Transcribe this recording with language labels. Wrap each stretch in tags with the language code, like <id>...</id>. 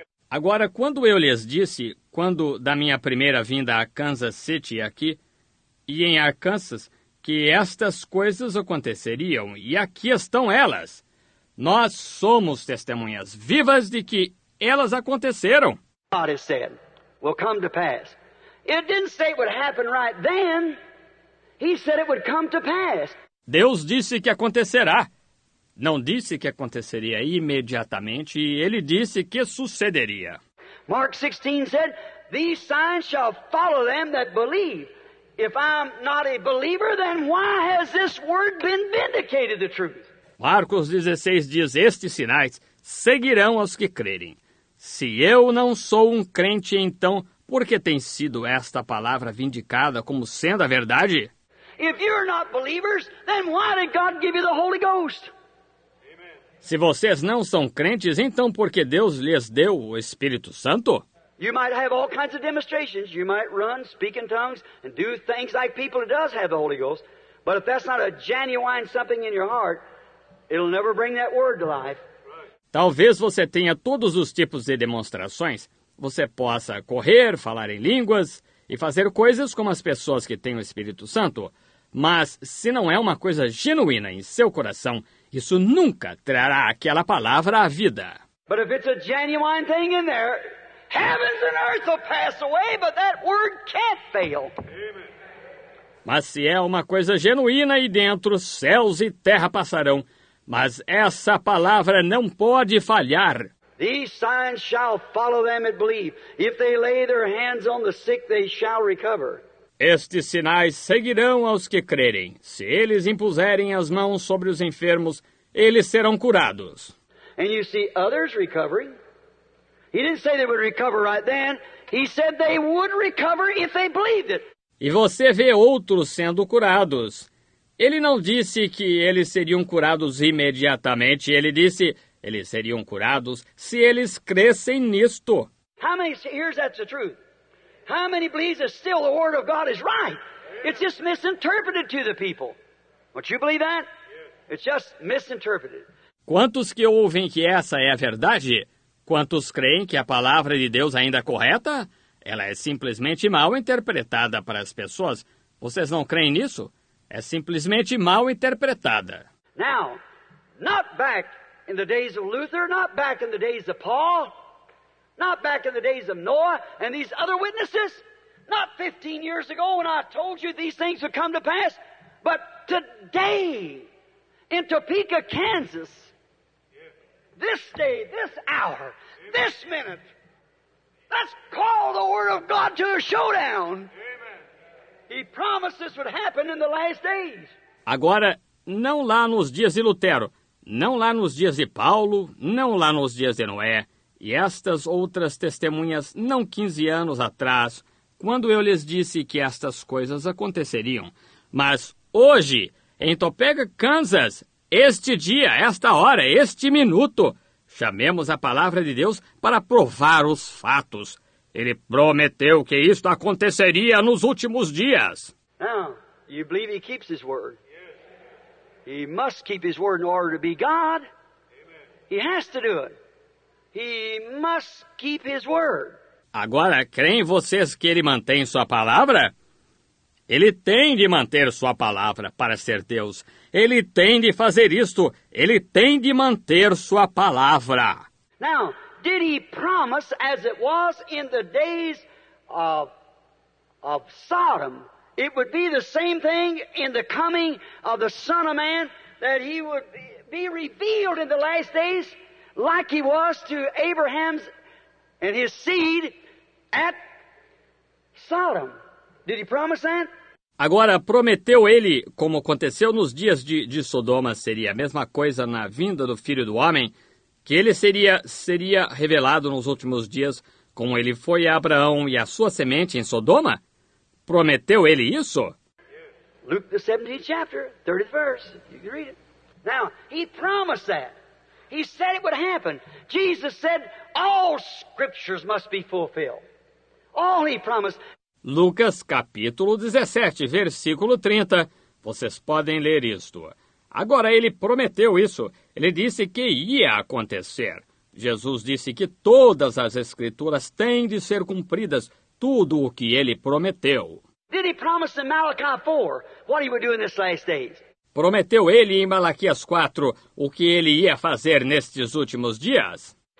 <pt>Agora, quando eu lhes disse, quando da minha primeira vinda a Kansas City aqui, e em Arkansas, que estas coisas aconteceriam, e aqui estão elas, nós somos testemunhas vivas de que elas aconteceram.</pt> <en>God has said, will come to pass. It didn't say it would happen right then. He said it would come to pass.</en> <pt>Deus disse que acontecerá. Não disse que aconteceria imediatamente, ele disse que sucederia.</pt> <en>Mark 16 said, "These signs shall follow them that believe." If I'm not a believer, then why has this word been vindicated the truth?</en> <pt>Marcos 16 diz, "Estes sinais seguirão aos que crerem." Se eu não sou um crente, então por que tem sido esta palavra vindicada como sendo a verdade?</pt> <en>If you're not believers, then why did God give you the Holy Ghost?</en> <pt>Se vocês não são crentes, então por que Deus lhes deu o Espírito Santo?</pt> <en>You might have all kinds of demonstrations. You might run, speak in tongues, and do things like people who does have the Holy Ghost. But if that's not a genuine something in your heart, it'll never bring that word to life.</en> <pt>Talvez você tenha todos os tipos de demonstrações. Você possa correr, falar em línguas e fazer coisas como as pessoas que têm o Espírito Santo. Mas se não é uma coisa genuína em seu coração, isso nunca trará aquela palavra à vida.</pt> <en>But if it's a genuine thing in there, heavens and earth will pass away, but that word can't fail. Amen.</en> <pt>Mas se é uma coisa genuína aí dentro, céus e terra passarão, mas essa palavra não pode falhar.</pt> <en>These signs shall follow them that believe. If they lay their hands on the sick, they shall recover.</en> <pt>Estes sinais seguirão aos que crerem. Se eles impuserem as mãos sobre os enfermos, eles serão curados.</pt> <en>And you see others recovering. He didn't say they would recover right then. He said they would recover if they believed it.</en> <pt>E você vê outros sendo curados. Ele não disse que eles seriam curados imediatamente. Ele disse eles seriam curados se eles crescem nisto.</pt> <en>How many hears that's the truth? How many believes that still the word of God is right? It's just misinterpreted to the people. Don't you believe that? It's just misinterpreted.</en> <pt>Quantos que ouvem que essa é a verdade? Quantos creem que a palavra de Deus ainda é correta? Ela é simplesmente mal interpretada para as pessoas. Vocês não creem nisso? É simplesmente mal interpretada.</pt> <en>Now, not back in the days of Luther, not back in the days of Paul, not back in the days of Noah and these other witnesses, not 15 years ago when I told you these things would come to pass, but today in Topeka, Kansas, this day, this hour, this minute, let's call the word of God to a showdown. He promised this would happen in the last days.</en> <pt>Agora, não lá nos dias de Lutero, não lá nos dias de Paulo, não lá nos dias de Noé, e estas outras testemunhas não 15 anos atrás, quando eu lhes disse que estas coisas aconteceriam, mas hoje, em Topeka, Kansas, este dia, esta hora, este minuto, chamemos a palavra de Deus para provar os fatos. Ele prometeu que isto aconteceria nos últimos dias.</pt> <en>Now, you believe he keeps his word? He must keep his word in order to be God. He has to do it. He must keep his word.</en> <pt>Agora, creem vocês que ele mantém sua palavra? Ele tem de manter sua palavra para ser Deus. Ele tem de fazer isto. Ele tem de manter sua palavra.</pt> <en>Now, did he promise as it was in the days of Sodom, it would be the same thing in the coming of the Son of Man, that he would be revealed in the last days like he was to Abraham's and his seed at Sodom? Did he promise that?</en> <pt>Agora, prometeu ele, como aconteceu nos dias de Sodoma, seria a mesma coisa na vinda do Filho do Homem, que ele seria revelado nos últimos dias, como ele foi a Abraão e a sua semente em Sodoma? Prometeu ele isso?</pt> <en>Luke, the 17th chapter, 30th verse, you can read it. Now, he promised that. He said it would happen. Jesus said, all scriptures must be fulfilled. All he promised.</en> <pt>Lucas, capítulo 17, versículo 30. Vocês podem ler isto. Agora, ele prometeu isso. Ele disse que ia acontecer. Jesus disse que todas as escrituras têm de ser cumpridas, tudo o que ele prometeu.</pt> <en>Did he promise in Malachi 4 what he would do in this last days?</en> <pt>Prometeu ele em Malaquias 4 o que ele ia fazer nestes últimos dias?</pt>